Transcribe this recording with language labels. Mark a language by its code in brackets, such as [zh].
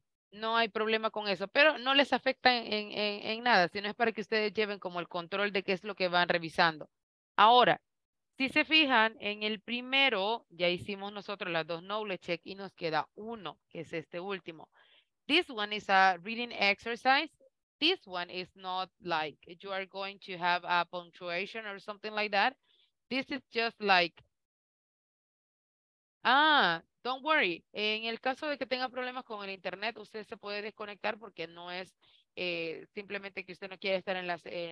[es] No hay problema con eso, pero no les afecta en nada, sino es para que ustedes lleven como el control de qué es lo que van revisando. Ahora, si se fijan, en el primero ya hicimos nosotros las dos knowledge check y nos queda uno, que es este último. [en] This one is a reading exercise. This one is not like you are going to have a punctuation or something like that. This is just like, don't worry. [es] En el caso de que tenga problemas con el internet, usted se puede desconectar porque no es simplemente que usted no quiere estar en las...